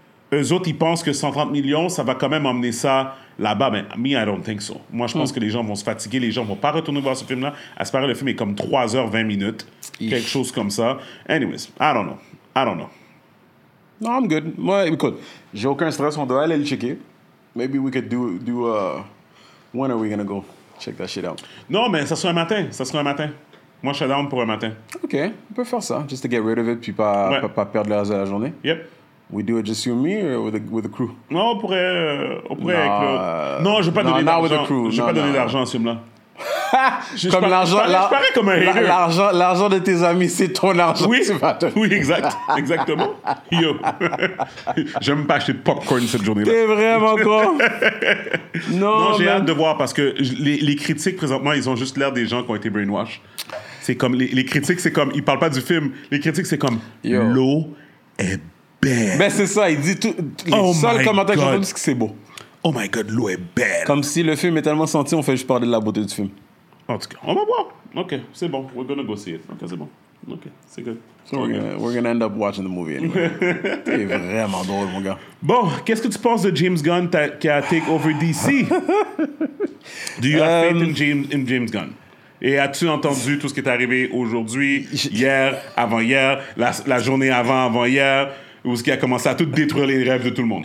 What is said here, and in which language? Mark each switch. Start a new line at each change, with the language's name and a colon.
French: Ben, eux autres, ils pensent que 130 millions, ça va quand même emmener ça là-bas. Mais
English: me, I don't think so.
French: Moi, je pense que les gens vont se fatiguer, les gens vont pas retourner voir ce film-là. À ce moment-là, le film est comme 3h20 minutes, quelque chose comme ça.
English: Anyways, I don't know. No, I'm good.
French: Moi, écoute, j'ai aucun stress, on doit aller le checker.
English: Maybe we could do when are we gonna go check that shit out?
French: Non, mais ça sera un matin. Ça sera un matin. Moi, je suis down pour un matin. OK, on peut faire ça.
English: Just to get rid of it,
French: puis pas, ouais, pas perdre le reste de la journée.
English: Yep. We do it just you and me or with the crew?
French: Non, on pourrait avec le... Non, je vais pas donner d'argent. D'argent à ce film-là. Comme l'argent, je parais comme un hater. L'argent de tes amis, c'est ton argent. Oui, oui, exact, exactement. Yo, j'aime pas acheter de popcorn cette journée-là. T'es vraiment con. Non, j'ai hâte de voir parce que les critiques présentement, ils ont juste l'air des gens qui ont été brainwashed. C'est comme les critiques, c'est comme ils parlent pas du film. Les critiques, c'est comme yo, l'eau est belle. Ben c'est ça. Il dit tout. Les seuls commentaires que j'ai entendu, c'est que c'est beau. Oh my God, l'eau est belle. Comme si le film est tellement senti, on fait juste parler de la beauté du film. En tout cas, on va voir. OK, c'est bon.
English: We're gonna go see it.
French: OK, c'est bon. OK, c'est good.
English: So we're gonna end up watching the movie anyway.
French: T'es vraiment drôle, mon gars. Bon, qu'est-ce que tu penses de James Gunn qui a take over DC?
English: Do you have faith in James Gunn?
French: Et as-tu entendu tout ce qui est arrivé aujourd'hui, hier, avant-hier, la journée avant-hier? Ou ce qui a commencé à tout détruire les rêves de tout le monde.